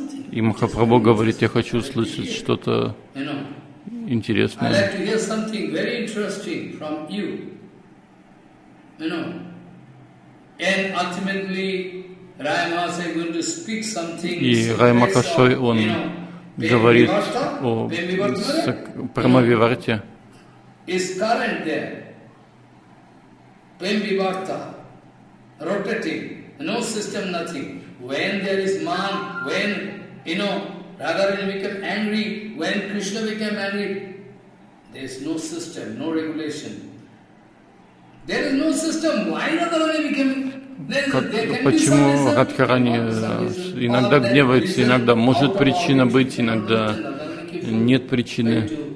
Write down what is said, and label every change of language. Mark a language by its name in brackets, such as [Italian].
[Russian] И Махапрабху говорит, я хочу услышать что-то интересно. [English] I'd like to hear something very interesting from you. And ultimately, Rai Mahasaya is going to speak something. [Russian] И Рай Махашой, он говорит о Премавиварте. [English] Is current there? Премавиварта, rotating, no system, nothing. When there is man, when Radharani became angry, when Krishna became angry, there is no system, no regulation. There is no system. Why Radharani became? [Russian] Почему Радхарани иногда гневается, иногда может причина быть, иногда нет причины?